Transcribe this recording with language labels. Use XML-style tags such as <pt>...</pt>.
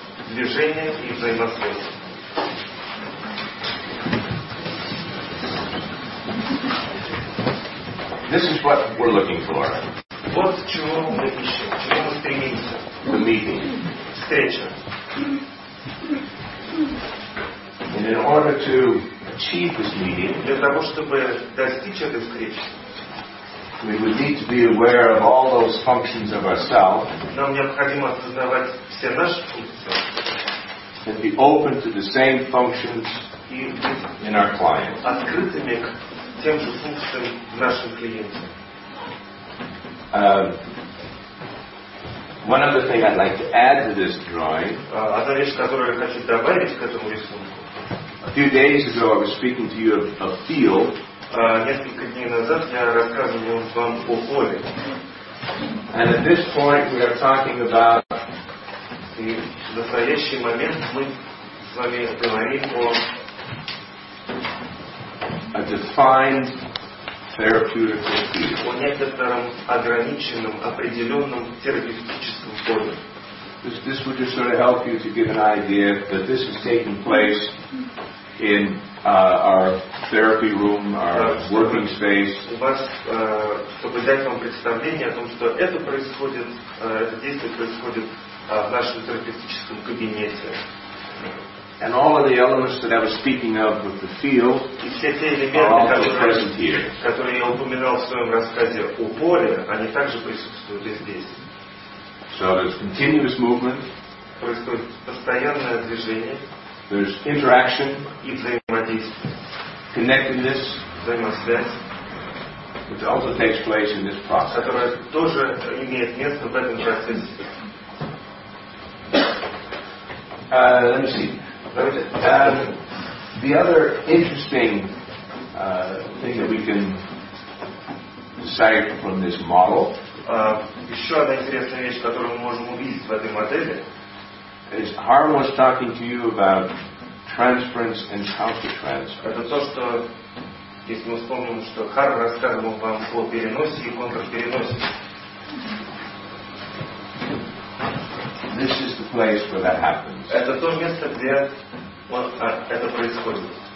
<ru>Движение и взаимосвязь.</ru> <en>This is what we're looking for.</en> <ru>Вот чего мы ищем, чего мы стремимся.</ru> <en>The meeting.</en> <ru>Встреча.</ru> <en>And in order to achieve this meeting,</en> <ru>для того чтобы достичь этой встречи,</ru> <en>we would need to be aware of all those functions of ourselves.</en> <ru>Нам необходимо осознавать все наши функции.</ru> <en>And be open to the same functions in our client.</en> <ru>Открытыми к тем же функциям в нашем клиенте.</ru> <en>One other thing I'd like to add to this drawing.</en> <ru>Одна вещь, которую я хочу добавить к этому рисунку.</ru> <en>A few days ago, I was speaking to you of a field.</en> <ru>Несколько дней назад я рассказывал вам о поле.</ru> <en>And at this point, we are talking about.</en> <ru>И в настоящий момент мы с вами говорим о.</ru> <en>A defined therapeutical field.</en> <ru>О некотором ограниченном, определенном терапевтическом поле.</ru> <en>This would just sort of help you to give an idea that this is taking place in our therapy room, our working space.</en> <ru>У вас, чтобы дать вам представление о том, что это происходит, это действие происходит в нашем терапевтическом кабинете.</ru> <en>And all of the elements that I was speaking of with the field are also present here.</en> <ru>Которые я упоминал в своем рассказе о поле, они также присутствуют и здесь.</ru> <en>So there's continuous movement.</en> <ru>Происходит постоянное движение.</ru> <en>There's interaction.</en> <ru>И взаимодействие.</ru> <en>Connectedness.</en> <ru>Взаимосвязь.</ru> <en>Which also takes place in this process.</en> <ru>Которая тоже имеет место в этом процессе.</ru> <en>Let me see. The other interesting thing that we can decipher from this model.</en> <ru>Еще одна интересная вещь, которую мы можем увидеть в этой модели.</ru> <en>Is Harm was talking to you about transference and counter-transference.</en> <ru>Это то, что, если мы вспомним, что Харм рассказывал вам о переносе и контрпереносе.</ru> <en>This is the place where that happens.</en> <ru>Это то место, где это происходит.</ru>